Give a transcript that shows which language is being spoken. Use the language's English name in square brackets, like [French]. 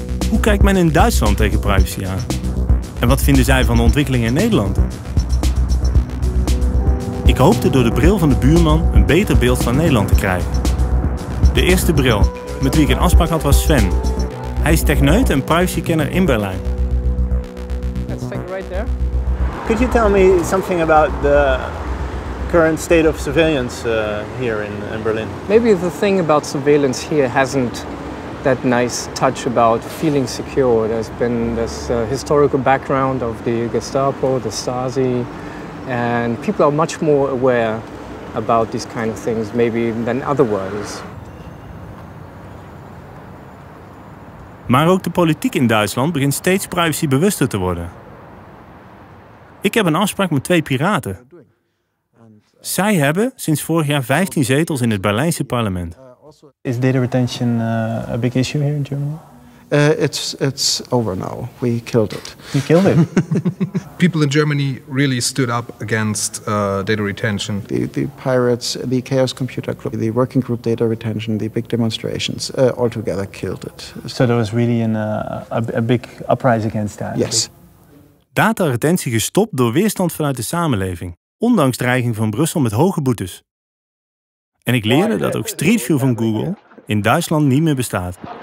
[Dutch] Hoe kijkt men in Duitsland tegen privacy aan? En wat vinden zij van de ontwikkeling in Nederland? Ik hoopte door de bril van de buurman een beter beeld van Nederland te krijgen. De eerste bril met wie ik een afspraak had was Sven. Hij is techneut en privacykenner in Berlijn. [English] Let's take it right there. Could you tell me something about the current state of surveillance here in Berlin? Maybe the thing about surveillance here hasn't that nice touch about feeling secure. There's been this historical background of the Gestapo, the Stasi, and people are much more aware about these kind of things maybe than otherwise. [Dutch] Maar ook de politiek in Duitsland begint steeds privacybewuster te worden. Ik heb een afspraak met twee piraten. Zij hebben sinds vorig jaar 15 zetels in het Berlijnse parlement. [English] Is data retention a big issue here in Germany? It's over now. We killed it. You killed it. People in Germany really stood up against data retention. The pirates, the Chaos Computer Club, the working group data retention, the big demonstrations, altogether killed it. So there was really a big uprise against that. Yes. [Dutch] Dataretentie gestopt door weerstand vanuit de samenleving, ondanks dreiging van Brussel met hoge boetes. En ik leerde dat ook Street View van Google in Duitsland niet meer bestaat.